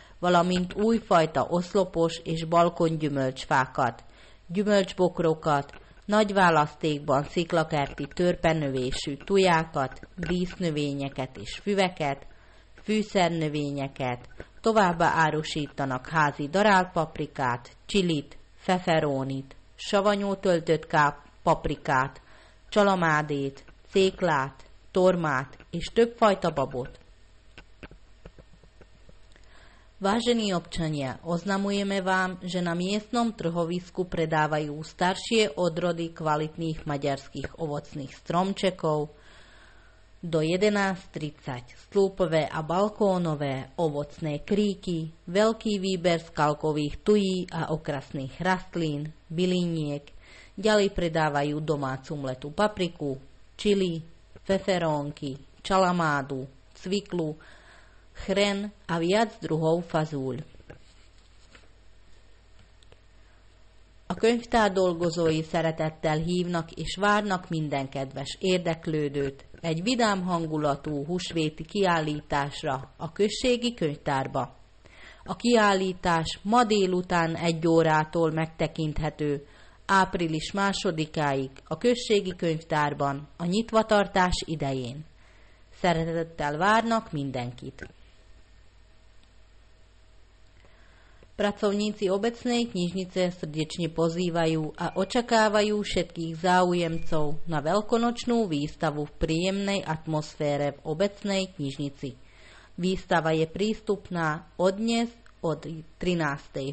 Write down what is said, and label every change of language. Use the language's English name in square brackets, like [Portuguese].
[Hungarian] valamint újfajta oszlopos és balkon gyümölcsfákat, gyümölcsbokrokat, nagy választékban sziklakerti törpenövésű tujákat, dísznövényeket és füveket, fűszernövényeket, továbbá árusítanak házi darálpaprikát, csilit, feferónit, savanyú töltött paprikát, csalamádét, céklát, tormát és többfajta babot. [Slovak] Vážení občania, oznamujeme vám, že na miestnom trhovisku predávajú staršie odrody kvalitných maďarských ovocných stromčekov do 11.30 slúpové a balkónové ovocné kríky, veľký výber skalkových tují a okrasných rastlín, byliniek, ďalej predávajú domácu mletú papriku, čili, feferónky, čalamádu, cviklu, chren a viac druhov fazúľ. [Hungarian] A könyvtár dolgozói szeretettel hívnak és várnak minden kedves érdeklődőt egy vidám hangulatú húsvéti kiállításra a községi könyvtárba. A kiállítás ma délután 1 órától megtekinthető, április 2-ig a községi könyvtárban a nyitvatartás idején. Szeretettel várnak mindenkit! [Slovak] Pracovníci obecnej knižnice srdečne pozývajú a očakávajú všetkých záujemcov na veľkonočnú výstavu v príjemnej atmosfére v obecnej knižnici. Výstava je prístupná od dnes od 13.